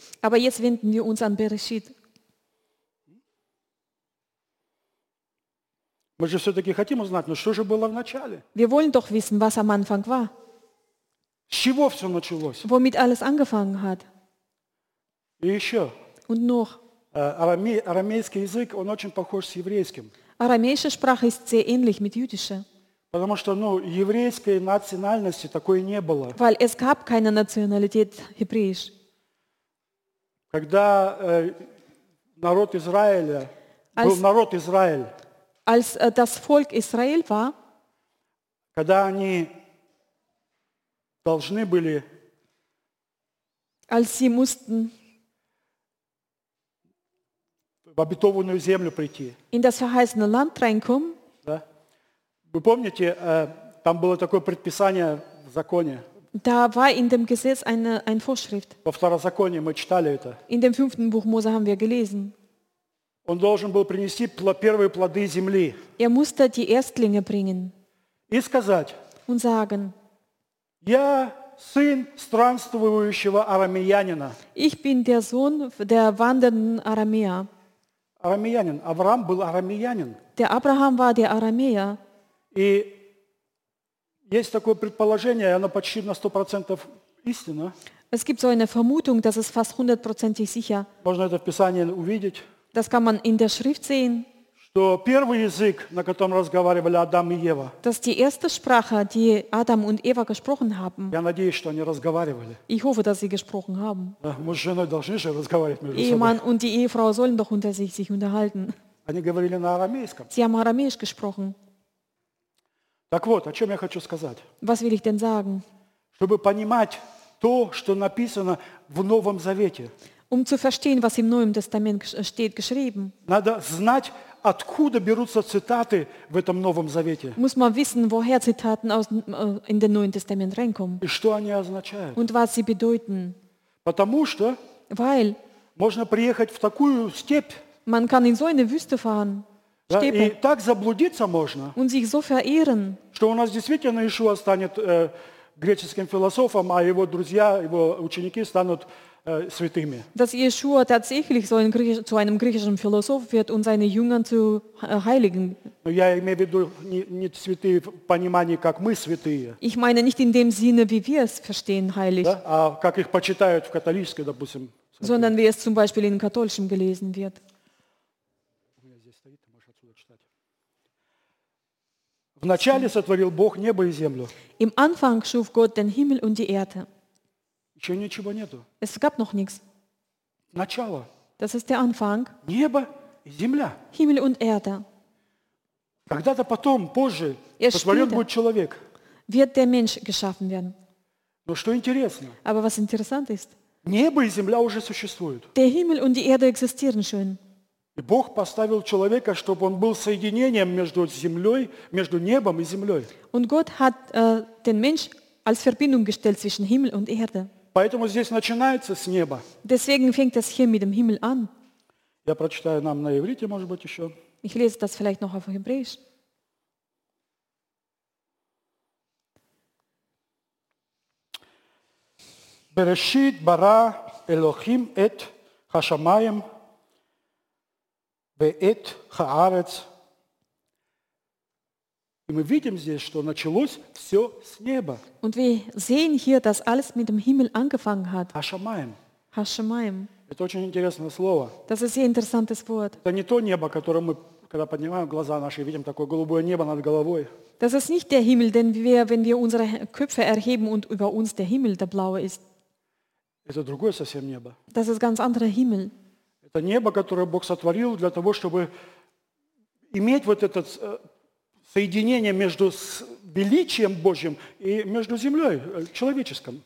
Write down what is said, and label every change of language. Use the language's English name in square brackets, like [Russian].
[German] Aber jetzt wenden wir uns an Bereshit. [Russian] Мы же все-таки хотим узнать, но что же было в начале? [German] Wir wollen doch wissen, was am Anfang war. [Russian] С чего все началось? [German] Womit alles angefangen hat. [Russian] И еще. [German] Und noch. [Russian] Арамейский язык, он очень похож с еврейским. [German] Арамейская Sprache ist sehr ähnlich mit jüdischer. [Russian] Потому что, ну, еврейской национальности такой не было. [German] Weil es gab keine Nationalität hebräisch. [Russian] Когда народ Израиля, был народ Израиль, [German] als das Volk Israel war, [Russian] когда они должны были, [German] als sie mussten [Russian] в обетованную землю прийти, [German] in das verheißene Land reinkommen, [Russian] вы помните, там было такое предписание в законе? [German] Da war in dem Gesetz ein Vorschrift. [Russian] Во второзаконии мы читали это. [German] In dem fünften Buch Mose haben wir gelesen. [Russian] Он должен был принести первые плоды земли. [German] Er musste die Erstlinge bringen. [Russian] И сказать. [German] Und sagen. [Russian] Я сын странствующего арамеянина. [German] Ich bin der Sohn der wandernden Aramäer. [Russian] Арамеянин. Авраам был арамеянин. [German] Der Abraham war der Aramäer. [Russian] И есть такое предположение, оно почти на 100% истинно. [German] Es gibt so eine Vermutung, dass es fast 100% sicher. [Russian] Можно это в Писании увидеть. [German] Das kann man in der Schrift sehen. [Russian] Что первый язык, на котором разговаривали Адам и Ева. [German] Dass die erste Sprache, die Adam und Eva gesprochen haben. [Russian] Я надеюсь, что они разговаривали. [German] Ich hoffe, dass sie gesprochen haben. [Russian] Да, муж с женой должны же разговаривать между собой. [German] Ehemann und die Ehefrau sollen doch unter sich unterhalten. [Russian] Они говорили на арамейском. [German] Sie haben Aramäisch gesprochen. [Russian] Так вот, о чем я хочу сказать? [German] Was will ich denn sagen? [Russian] Чтобы понимать то, что написано в Новом Завете. [German] Um zu verstehen, was im Neuen Testament steht geschrieben. [Russian] Надо знать, откуда берутся цитаты в этом Новом Завете. [German] Muss man wissen, woher Zitate in den Neuen Testament reinkommen. [Russian] И что они означают? [German] Und was sie bedeuten. [Russian] Потому что [German] Weil [Russian] можно приехать в такую степь. [German] Man kann in so eine Wüste fahren. [Russian] Да, и так заблудиться можно, [German] und sich so verirren, [Russian] что у нас действительно Иешуа станет греческим философом, а его друзья, его ученики станут святыми. [German] Dass Иешуа tatsächlich so zu einem griechischen Philosoph wird und seine Jünger zu Heiligen. [Russian] Но я имею в виду не святые в понимании, как мы святые. [German] Ich meine nicht in dem Sinne, wie wir es verstehen, heilig. [Russian] Да? А как их почитают в католической, допустим. Святые. [German] Sondern wie es zum Beispiel in katholischem gelesen wird. [Russian] Вначале сотворил Бог небо и землю. [German] Im Anfang schuf Gott den Himmel und die Erde. [Russian] Еще ничего нету. [German] Es gab noch nichts. [Russian] Начало. [German] Das ist der Anfang. [Russian] Небо и земля. [German] Himmel und Erde. [Russian] Когда-то потом, позже, сотворен будет человек. [German] Wird der Mensch geschaffen werden. [Russian] Но что интересно? [German] Aber was interessant ist? [Russian] Небо и земля уже существуют. [German] Der Himmel und die Erde existieren schon. [Russian] И Бог поставил человека, чтобы он был соединением между землей, между небом и землей. [German] Und Gott hat den Mensch als Verbindung gestellt zwischen Himmel und Erde. [Russian] Поэтому здесь начинается с неба. [German] Deswegen fängt es hier mit dem Himmel an. [Russian] Я прочитаю нам на иврите, может быть, еще. [German] Ich lese das vielleicht noch auf Hebräisch. [Hebrew] Bereshit bara Elohim et hashamayim ve'et ha'aretz. [Russian] И мы видим здесь, что началось все с неба. [German] Und wir sehen hier, dass alles mit dem Himmel angefangen hat. [Hebrew] Hashamayim. Hashamayim. [Russian] Это очень интересное слово. [German] Das ist ein interessantes Wort. [Russian] Это не то небо, которое мы, когда поднимаем глаза наши, видим такое голубое небо над головой. [German] Das ist nicht der Himmel, denn wir, wenn wir unsere Köpfe erheben und über uns der Himmel, der blaue ist. [Russian] Это другое совсем небо. [German] Das ist ganz anderer Himmel. [Russian] Это небо, которое Бог сотворил для того, чтобы иметь вот этот соединение между величием Божьим и между землей человеческим.